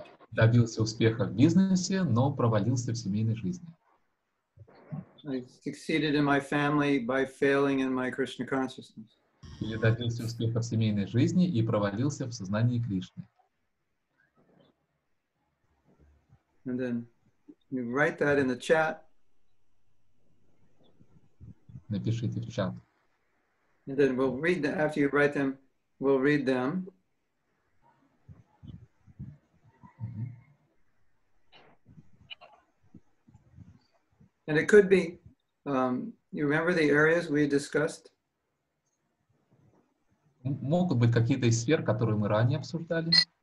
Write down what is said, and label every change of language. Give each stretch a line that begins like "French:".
Russian: Добился успеха в бизнесе, но провалился в семейной жизни.
English: I succeeded in my family by failing in my Krishna consciousness.
Russian: Или добился успеха в семейной жизни и провалился в сознании Кришны.
English: And then you write that in the chat.
Russian: Напишите в чат.
English: And then we'll read them, after you write them, we'll read them. And it could be, you remember the areas we discussed?
Russian: Могут быть какие-то из сфер, которые мы ранее обсуждали.